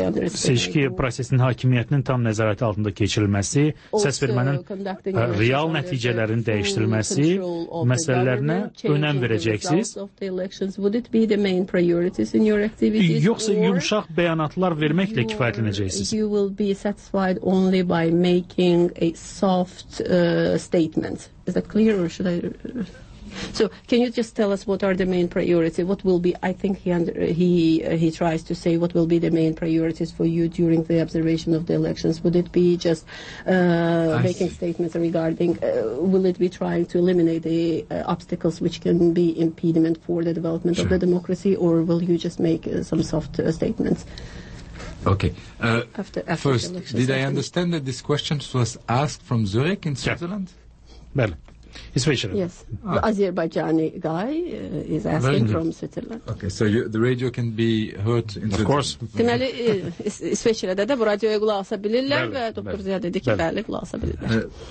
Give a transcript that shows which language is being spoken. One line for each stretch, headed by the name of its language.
Azerbaijani: seçki prosesinin hakimiyyətinin tam nəzarəti altında keçirilməsi, səsvermənin real nəticələrin dəyişdirilməsi edilməsi məsələlərinə önəm verəcəksiniz? Yoxsa yumşaq bəyanatlar verməklə kifayətlənəcəksiniz?
English: You will be satisfied only by making a soft statement. Is that clear or should I... So, can you just tell us what are the main priorities? What will be, I think he tries to say, what will be the main priorities for you during the observation of the elections? Would it be just making statements regarding, will it be trying to eliminate the obstacles which can be impediment for the development of the democracy, or will you just make some soft statements? Okay. After first, did I understand that this question was asked from Zurich in Switzerland? Well. Yeah. Yes, Azerbaijani guy is asking from Switzerland. Okay, so the radio can be heard in of course.
Azerbaijani: Deməli, İsveçrədə də bu radioya qulaq asa bilirlər və doktor Ziya dedi ki, bəli, qulaq asa bilirlər.